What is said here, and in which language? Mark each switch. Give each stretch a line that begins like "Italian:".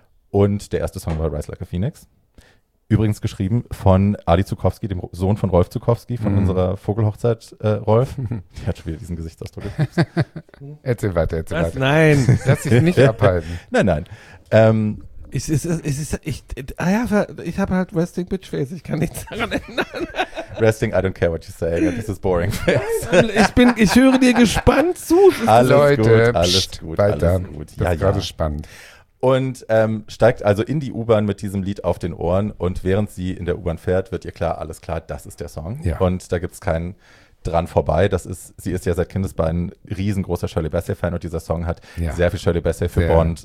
German: Und der erste Song war Rise Like a Phoenix. Übrigens geschrieben von Adi Zukowski, dem Sohn von Rolf Zukowski, von unserer Vogelhochzeit, Rolf. Die hat schon wieder diesen Gesichtsausdruck. erzähl weiter. Nein. Lass dich nicht abhalten. Nein. Ich habe halt Resting Bitch Face, ich kann nichts daran ändern.
English: Resting, I don't care what you say, this is boring.
German: ich höre dir gespannt zu. Alles gut. Das ist gerade spannend. Und steigt also in die U-Bahn mit diesem Lied auf den Ohren und während sie in der U-Bahn fährt, wird ihr klar, alles klar, das ist der Song. Ja. Und da gibt es keinen dran vorbei. Sie ist ja seit Kindesbeinen riesengroßer Shirley Bassey-Fan und dieser Song hat sehr viel Shirley Bassey für Bond.